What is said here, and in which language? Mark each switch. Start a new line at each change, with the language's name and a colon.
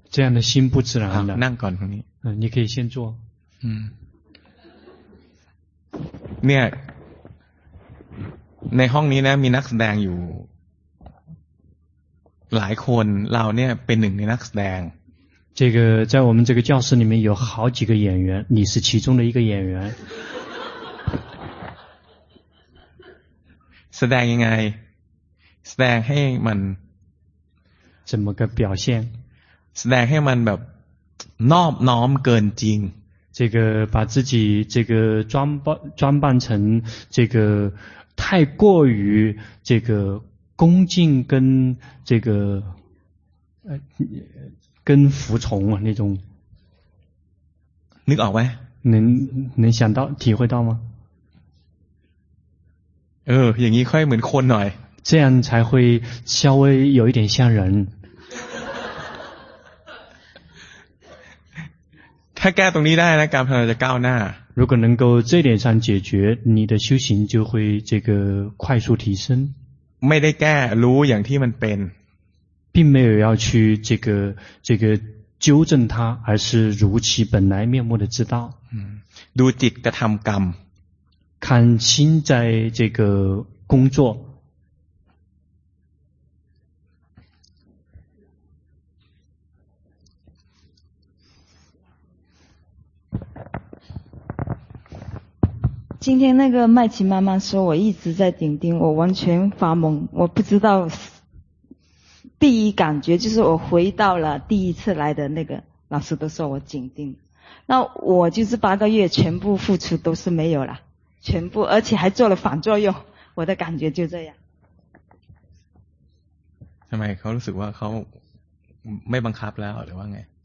Chinese: 这样的心不自然的
Thai: นั่งก่อนตรงนี้
Chinese: 你可以先坐
Thai: เนี่ยในห้องนี้นะมีนักแสดงอยู่หลายคนเราเนี่ยเป็นหนึ่งในนักแสดง
Chinese: 这个在我们这个教室里面有好几个演员你是其中的一个演员
Thai: แสดงยังไงแสดงให้มัน
Chinese: 怎么个表现
Thai: แสดงให้มันแบบนอบน้อมเกินจริง
Chinese: 这个把自己这个装扮成这个太过于这个恭敬跟这个跟服从那种
Thai: นึกออกไหม
Chinese: 能想到体会到吗
Thai: อย่างนี้ค่อยเหมือนคนหน่อย
Chinese: 这样才会稍微有一点像人
Thai: ถ้าแก้ตรงนี้ได้นะการภาวนาจะก้าวหน้า
Chinese: 如果能够这点上解决你的修行就会这个快速提升
Thai: ไม่ได้แก้รู้อย่างที่มันเป็น
Chinese: 并没有要去这个纠正它而是如其本来面目的知道
Thai: ดูจิตกระทำกรรม
Chinese: 看心在这个工作今天那个麦琪妈妈说我一直在顶顶我完全发懵我不知道第一感觉就是我回到了第一次来的那个老师都说我顶顶那我就是八个月全部付出都是没有了全部而且还做了反作用我的感觉就这样
Thai: ทำไมเขารู้สึกว่าเขาไม่บังคับแล้วหรือว่าไง